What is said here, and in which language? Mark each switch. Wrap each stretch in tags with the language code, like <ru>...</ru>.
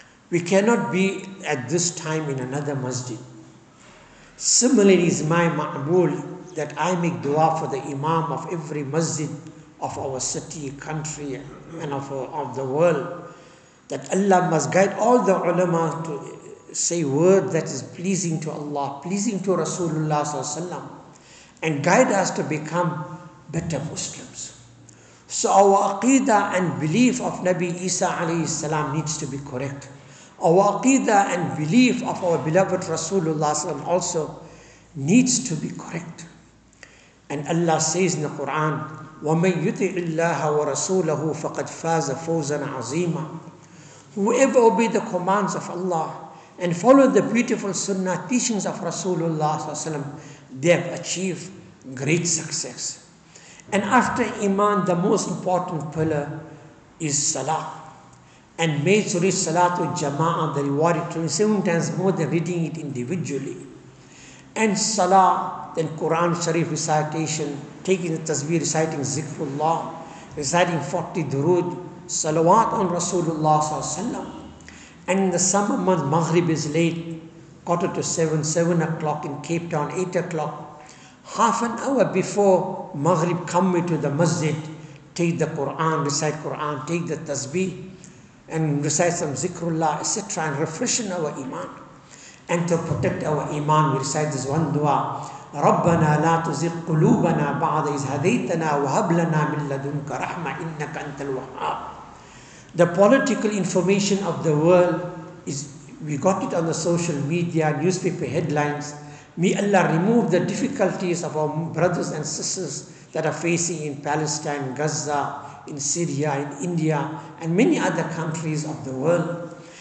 <en>We cannot be at this time in another masjid. Similarly, is my ma'bool that I make dua for the imam of every masjid of our city, country, and of the world, that Allah must guide all the ulama to say word that is pleasing to Allah, pleasing to Rasulullah sallallahu alaihi wasallam, and guide us to become better Muslims. So our aqidah and belief of Nabi Isa alayhi salam needs to be correct. Our aqidah and belief of our beloved Rasulullah sallam also needs to be correct. And Allah says in the Quran,</en> <ar>وَمَنْ يُطِعِ اللَّهَ وَرَسُولَهُ فَقَدْ فَازَ فَوْزًا عَظِيمًا.</ar> <en>Whoever obey the commands of Allah and follow the beautiful sunnah teachings of Rasulullah sallam, they have achieved great success. And after iman, the most important pillar is salah. And made to read salatu jama'ah, the reward is 27 times more than reading it individually. And salah, then Quran Sharif recitation, taking the tasbih, reciting zikrullah, reciting 40 durood, salawat on Rasulullah sallallahu alaihi wasallam. And in the summer month, Maghrib is late, 6:45, 7 o'clock in Cape Town, 8 o'clock. Half an hour before Maghrib, come into the masjid, take the Quran, recite Quran, take the tasbih, and recite some zikrullah, etc., and refreshen our iman. And to protect our iman, we recite this one dua,</en> <ar>رَبَّنَا لَا تُزِقْ قُلُوبَنَا بَعْدَ إِذْ هَدَيْتَنَا وَهَبْ لَنَا مِنْ لَدُنْكَ رَحْمَةً إِنَّكَ أَنْتَ الْوَهَّابُ.</ar> <en>The political information of the world is, we got it on the social media, newspaper headlines. May Allah remove the difficulties of our brothers and sisters that are facing in Palestine, Gaza, in Syria, in India, and many other countries of the world.</en>